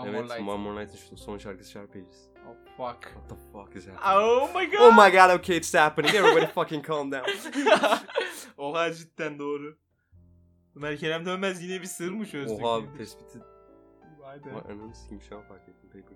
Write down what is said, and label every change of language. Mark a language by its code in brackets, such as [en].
[tr] One More Night'ın son şarkısı Sharp Edges. [en] Fuck. What the fuck is happening? Oh my god. Oh my god, okay, it's happening. Everybody fucking calm down. [tr] Oha, cidden doğru. Ömer Kerem Dönmez yine bir sır mı çözdük? Oha, gibi. Tespiti. Vay be. Ama anam sikim şu an fark ettim.